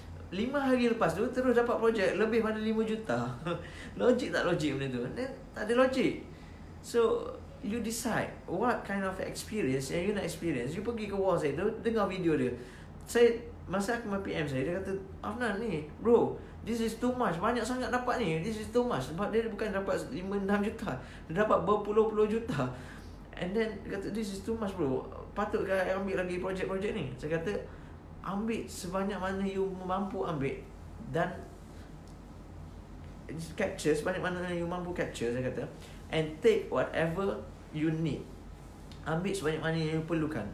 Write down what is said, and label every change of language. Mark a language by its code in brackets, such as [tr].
[ms] 5 hari lepas tu, terus dapat projek lebih pada 5 juta. Logik tak logik benda tu? [en] Then, [ms] tak ada logik. [en] So, you decide what kind of experience [ms] yang [en] you [ms] nak [en] experience. [ms] You pergi ke wall saya tu, dengar video dia. Masa Akmal PM saya, dia kata, Afnan ni, bro, [en] this is too much. [ms] Banyak sangat dapat ni. [en] This is too much. [ms] Sebab dia bukan dapat 5-6 juta. Dia dapat berpuluh-puluh juta. [en] And then, [ms] dia kata, [en] this is too much bro. [ms] Patutkah I ambil lagi projek-projek ni? Saya kata, ambil sebanyak mana you mampu ambil. Dan, capture sebanyak mana you mampu capture, saya kata. [en] And take whatever you need. [ms] Ambil sebanyak mana yang you perlukan.